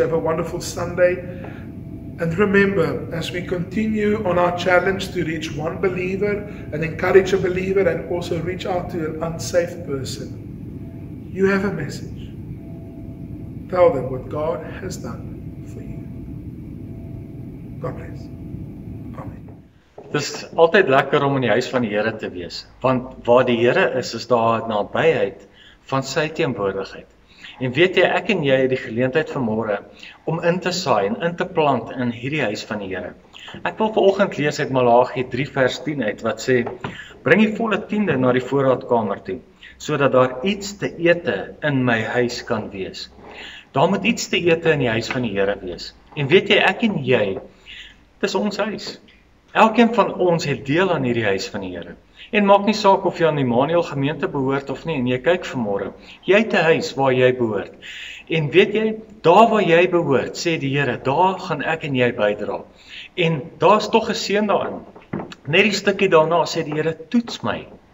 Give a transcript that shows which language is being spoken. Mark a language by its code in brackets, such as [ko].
[en] Have a wonderful Sunday. And remember, as we continue on our challenge to reach one believer and encourage a believer and also reach out to an unsafe person, you have a message. Tell them what God has done for you. God bless. [af] Dit is altyd lekker om in die huis van die Here te wees, want waar die Here is, is daar nabyheid van sy teenwoordigheid. En weet jy, ek en jy het die geleentheid vanmôre om in te saai en in te plant in hierdie huis van die Here. Ek wil vanoggend lees uit Malagi 3 vers 10 uit wat sê: "Bring die volle tiende na die voorraadkamer toe, sodat daar iets te ete in my huis kan wees." Daar moet iets te ete in die huis van die Here wees. En weet jy, ek en jy, dis ons huis. Elkeen van ons het deel aan hierdie huis van die Here. En maak nie saak of jy aan die Immanuel gemeente behoort of nie, en jy kyk vanmôre, jy het 'n huis waar jy behoort. En weet jy, daar waar jy behoort, sê die Here, daar gaan ek en jy bydra. En daar is tog 'n seën daarin. Net die stukkie daarna sê die Here, toets my.